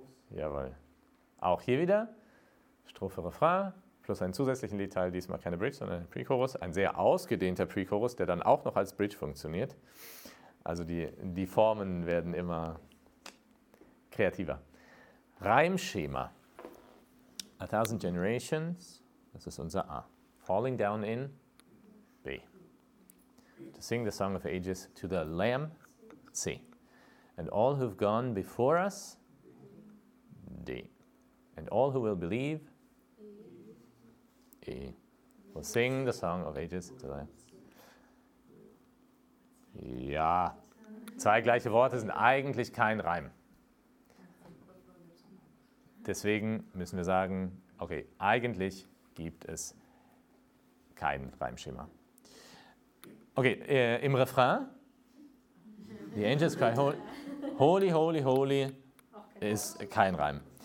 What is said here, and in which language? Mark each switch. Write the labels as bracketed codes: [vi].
[de] Jawohl. Auch hier wieder, Strophe, Refrain, plus einen zusätzlichen Liedteil, diesmal keine Bridge, sondern ein Pre-Chorus. Ein sehr ausgedehnter Pre-Chorus, der dann auch noch als Bridge funktioniert. Also die Formen werden immer kreativer. Reimschema. 1000 generations, das ist unser A. [en] Falling down in B. To sing the song of ages to the Lamb, C. And all who've gone before us, D. And all who will believe, E. Will sing the song of ages to the Lamb. [de] Ja, zwei gleiche Worte sind eigentlich kein Reim. Deswegen müssen wir sagen, okay, eigentlich gibt es kein Reimschema. Okay, im Refrain, the angels cry, holy, holy, holy, ist kein Reim.